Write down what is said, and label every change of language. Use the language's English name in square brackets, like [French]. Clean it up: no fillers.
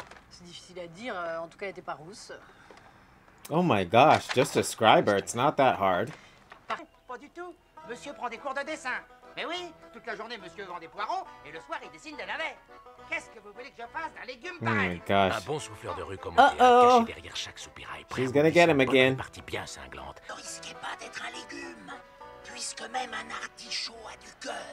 [French] C'est difficile à dire, en tout cas, elle était pas rousse. [English] Oh my gosh, just describe her, it's not that hard. [French] Pas du tout, monsieur prend des cours de dessin. Mais oui, toute la journée, monsieur vend des poireaux, et le soir, il dessine des navets. [English] Oh my gosh. [French] Un bon souffleur de rue comme caché derrière chaque soupirail. [English] She's gonna get him again. [French] Partie bien cinglante. Ne risquez pas d'être un légume, puisque même un artichaut a du cœur.